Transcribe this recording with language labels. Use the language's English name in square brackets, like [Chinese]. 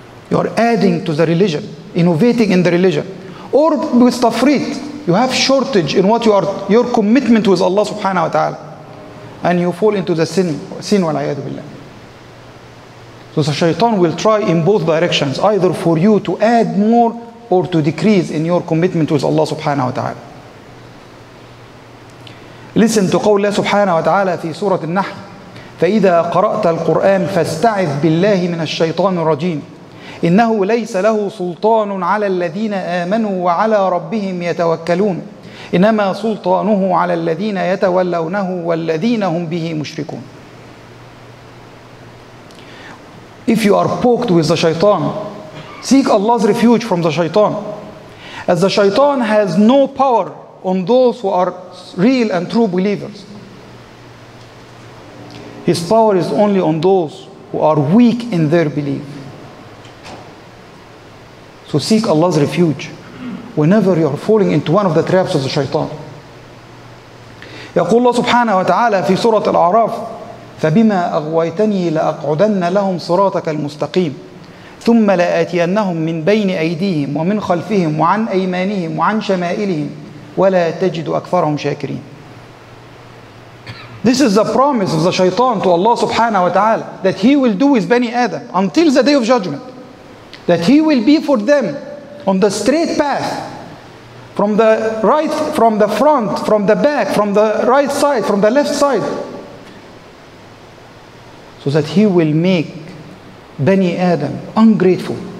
[English] You are adding to the religion, innovating in the religion, or with tafreet, you have shortage in what you are, your commitment with Allah subhanahu wa ta'ala, and you fall into the sin wal a'yadu billah. So the shaitan will try in both directions, either for you to add more or to decrease in your commitment with Allah subhanahu wa ta'ala. Listen to [Arabic] قول الله سبحانه وتعالى في سورة النحل فإذا قرأت القرآن فاستعذ بالله من الشيطان الرجيم إنه ليس له سلطان على الذين آمنوا وعلى ربهم يتوكلون إنما سلطانه على الذين يتولونه والذين هم به مشركون. [English] If you are poked with the shaitan, seek Allah's refuge from the shaitan, as the shaitan has no power on those who are real and true believers. His power is only on those who are weak in their belief. So seek Allah's refuge whenever you are falling into one of the traps of the shaitan. [Arabic] يقول الله سبحانه وتعالى في سورة الأعراف فبما أغويتني لأقعدن لهم صراطك المستقيم ثم لآتينهم من بين أيديهم ومن خلفهم وعن أيمانهم وعن شمائلهم ولا تجد أكثرهم شاكرين. [English] This is the promise of the shaitan to Allah subhanahu wa ta'ala that he will do with Bani Adam until the day of judgment, that he will be for them on the straight path, from the right, from the front, from the back, from the right side, from the left side, so that he will make Bani Adam ungrateful.